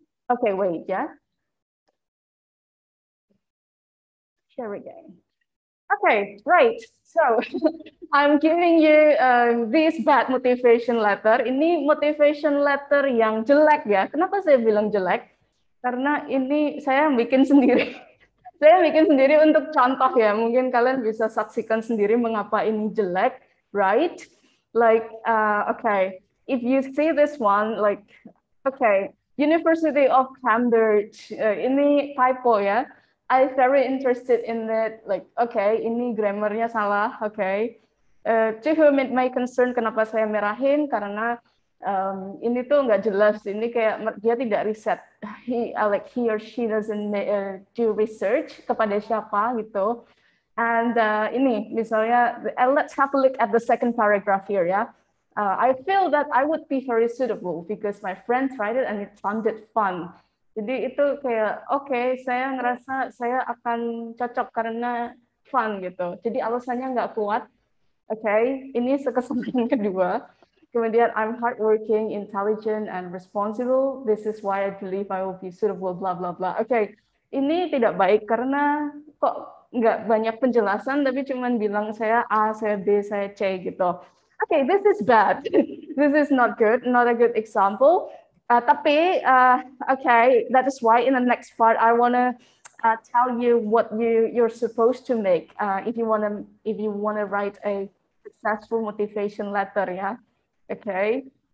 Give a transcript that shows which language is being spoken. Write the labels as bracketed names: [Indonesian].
[English] Okay, wait. Yeah. Share again. Okay, right. So, I'm giving you this bad motivation letter. [Indonesian] Ini motivation letter yang jelek ya. Kenapa saya bilang jelek? Karena ini saya bikin sendiri. Saya bikin sendiri untuk contoh ya. Mungkin kalian bisa saksikan sendiri mengapa ini jelek, right? [English] Like, okay. If you see this one, like, okay, University of Cambridge. [Indonesian] Ini typo ya. [English] I very interested in that, like, okay, [Indonesian] ini grammarnya salah, [English] okay. To whom it may concern, [Indonesian] kenapa saya merahin, karena ini tuh nggak jelas, ini kayak dia tidak riset. [English] He or she doesn't do research, [Indonesian] kepada siapa, gitu. [English] And [Indonesian] ini, misalnya, [English] let's have a look at the second paragraph here, ya. I feel that I would be very suitable, because my friend tried it and it sounded fun. [Indonesian] Jadi itu kayak okay, saya ngerasa saya akan cocok karena fun gitu. Jadi alasannya nggak kuat. Okay, ini kesempatan kedua. [English] Kemudian I'm hardworking, intelligent, and responsible. This is why I believe I will be suitable. Blah blah blah. [Indonesian] Okay, ini tidak baik karena kok nggak banyak penjelasan, tapi cuma bilang saya A, saya B, saya C gitu. [English] Okay, this is bad. This is not good. Not a good example. Okay, that is why in the next part I want to tell you what you're supposed to make if you want to write a successful motivation letter, yeah. Okay.